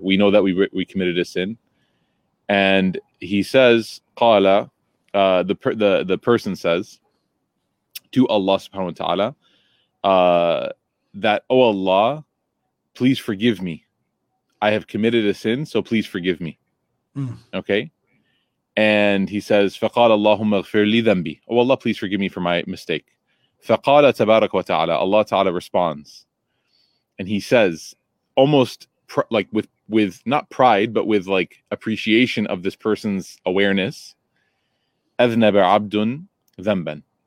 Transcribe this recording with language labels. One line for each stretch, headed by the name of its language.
English: We know that we committed a sin. And he says, qala, the person says to Allah subhanahu wa ta'ala, that, oh Allah, please forgive me. I have committed a sin, so please forgive me. Okay. And he says,
Arabic: فَقَالَ اللَّهُمَّ اغْفِرْ لِي ذَنْبِي.
English: Oh Allah, please forgive me for my mistake.
Arabic: فَقَالَ تَبَارَكَ وَتَعَالَى.
English: Allah Ta'ala responds. And he says, almost like with not pride, but with like appreciation of this person's awareness,
Arabic: أَذْنَبَ عَبْدٌ ذَنْبًا.